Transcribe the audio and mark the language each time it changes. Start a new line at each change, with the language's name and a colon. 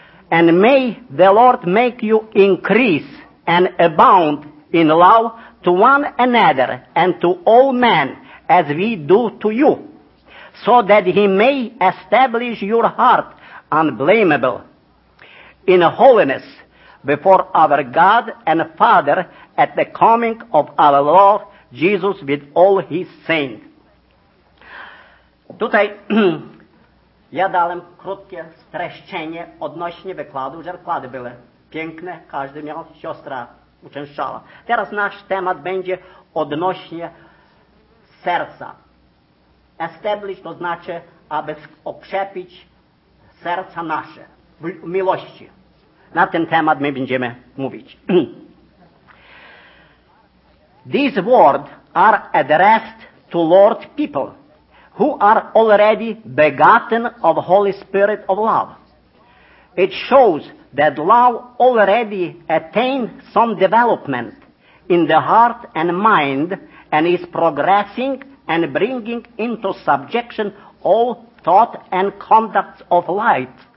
English: And may the Lord make you increase and abound in love to one another and to all men as we do to you, so that he may establish your heart unblameable in holiness before our God and Father at the coming of our Lord Jesus with all his saints.
Polish: Tutaj ja dałem krótkie streszczenie odnośnie wykładu, że wykłady były piękne, każdy miał, siostra uczęszczała. Teraz nasz temat będzie odnośnie serca. Establish to znaczy, aby okrzepić serca nasze w miłości. Na ten temat my będziemy mówić.
English: These words are addressed to Lord people who are already begotten of Holy Spirit of love. It shows that love already attained some development in the heart and mind and is progressing and bringing into subjection all thought and conduct of light.